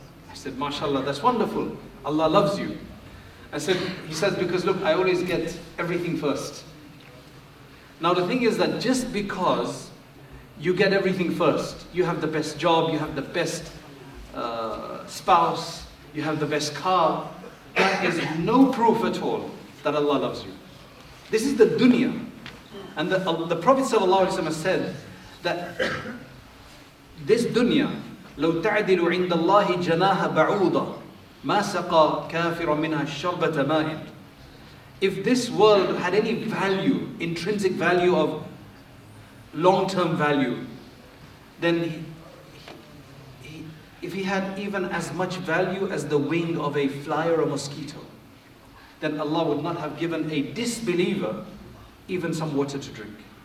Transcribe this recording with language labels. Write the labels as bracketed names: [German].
[English] I said, "Mashallah, that's wonderful. Allah loves you." I said, he says, "Because look, I always get everything first." Now the thing is that just because you get everything first, you have the best job, you have the best spouse, you have the best car, that is no proof at all that Allah loves you. This is the dunya. And the Prophet sallallahu alaihi wasallam said that this dunya, [Arabic] لو تعدل عند الله جناها بعوضة ما سقى كافر منها شربة ماء. [English] If this world had any value, intrinsic value of long-term value, then if he had even as much value as the wing of a fly or a mosquito, then Allah would not have given a disbeliever even some water to drink.